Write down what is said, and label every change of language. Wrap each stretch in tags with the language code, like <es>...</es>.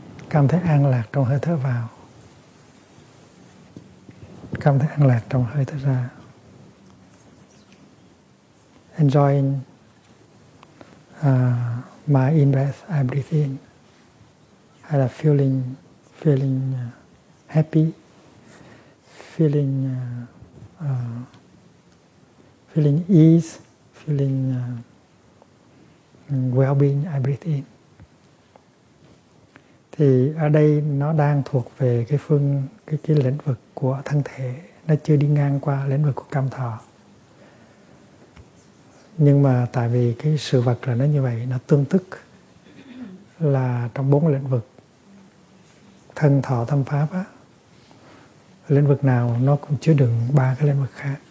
<vi>Cảm thấy an lạc trong hơi thở vào, cảm thấy an lạc trong hơi thở ra.</vi> <en>Enjoying my in-breath, I breathe in.</en> <vi>Hay là</vi> <en>feeling happy, feeling ease, feeling well-being, I breathe in.</en> <vi>Thì ở đây nó đang thuộc về cái lĩnh vực của thân thể, nó chưa đi ngang qua lĩnh vực của cảm thọ. Nhưng mà tại vì cái sự vật là nó như vậy, nó tương tức là trong bốn lĩnh vực thân, thọ, tâm, pháp á, lĩnh vực nào nó cũng chứa đựng ba cái lĩnh vực khác.</vi>